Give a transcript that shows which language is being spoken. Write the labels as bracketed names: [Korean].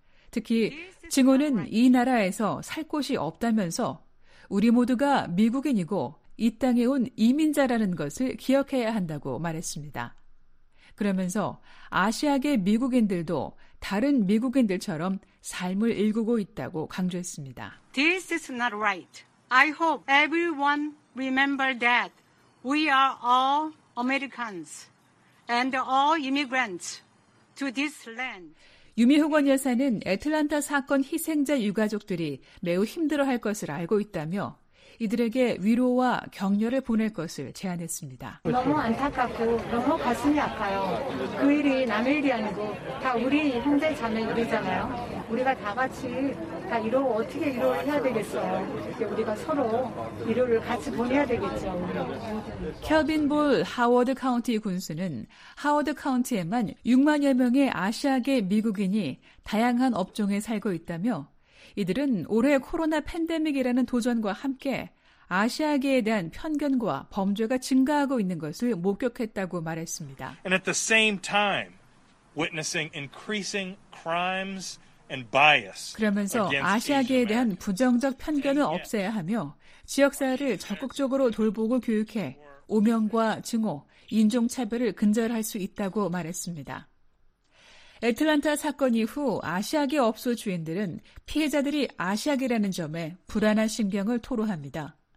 [Korean] 특히 증오는 이 나라에서 살 곳이 없다면서 우리 모두가 미국인이고 이 땅에 온 이민자라는 것을 기억해야 한다고 말했습니다. 그러면서 아시아계 미국인들도 다른 미국인들처럼 삶을 일구고 있다고 강조했습니다. [English] This is not right. I hope everyone remember that we are all Americans and all immigrants to this land. [Korean] 유미 호건 여사는 애틀랜타 사건 희생자 유가족들이 매우 힘들어할 것을 알고 있다며 이들에게 위로와 격려를 보낼 것을 제안했습니다. 너무 안타깝고 너무 가슴이 아파요. 그 일이 남의 일이 아니고 다 우리 형제 자매들이잖아요. 우리가 다 같이 다 위로를 어떻게 위로를 해야 되겠어요. 우리가 서로 위로를 같이 보내야 되겠죠. 켈빈 볼 하워드 카운티 군수는 하워드 카운티에만 6만여 명의 아시아계 미국인이 다양한 업종에 살고 있다며 이들은 올해 코로나 팬데믹이라는 도전과 함께 아시아계에 대한 편견과 범죄가 증가하고 있는 것을 목격했다고 말했습니다. [English] And at the same time, witnessing increasing crimes and bias. [Korean] 그러면서 아시아계에 대한 부정적 편견을 없애야 하며 지역사회를 적극적으로 돌보고 교육해 오명과 증오, 인종차별을 근절할 수 있다고 말했습니다. 애틀랜타 사건 이후 아시아계 업소 주인들은 피해자들이 아시아계라는 점에 불안한 심경을 토로합니다.